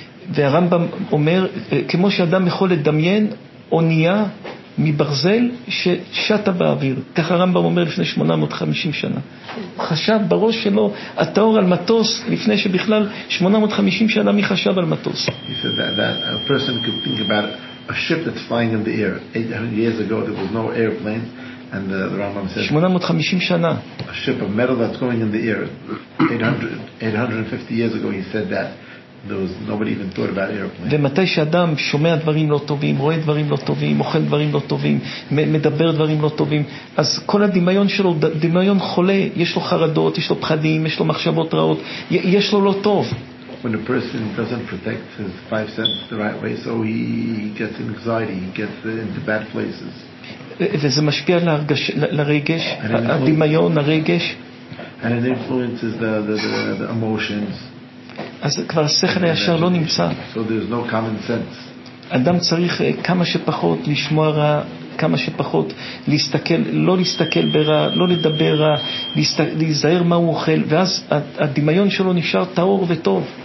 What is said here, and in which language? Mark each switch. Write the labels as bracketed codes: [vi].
[he] והרמב״ם אומר, כמו שאדם יכול לדמיין אונייה מברזל ששטה באוויר. ככה הרמב״ם אומר לפני 850 שנה. הוא חשב בראש שלו התאור על מטוס לפני שבכלל 850 שנה מי חשב על מטוס. [en] He said that a person could think about a ship that's flying in the air. 800 years ago there was no airplane. And the Rambam said [he] 850 שנה. [en] A ship of metal that's going in the air. 850 years ago he said that. Nobody even thought about airplane. [he] ומתי שאדם שומע דברים לא טובים, רואה דברים לא טובים, אוכל דברים לא טובים, מדבר דברים לא טובים, אז כל הדמיון שלו, דמיון חולה, יש לו חרדות, יש לו פחדים, יש לו מחשבות רעות, יש לו לא טוב. [en] When a person doesn't protect his five senses the right way, so he gets anxiety, he gets into bad places. [he] וזה משפיע על הרגש, הדמיון, הרגש. [en] And it influences the emotions. [he] אז כבר השכל הישר לא נמצא. [en] So there's no common sense. [he] אדם צריך כמה שפחות לשמוע רע, כמה שפחות להסתכל, לא להסתכל ברע, לא לדבר רע, להיזהר מה הוא אוכל, ואז הדמיון שלו נשאר טהור וטוב.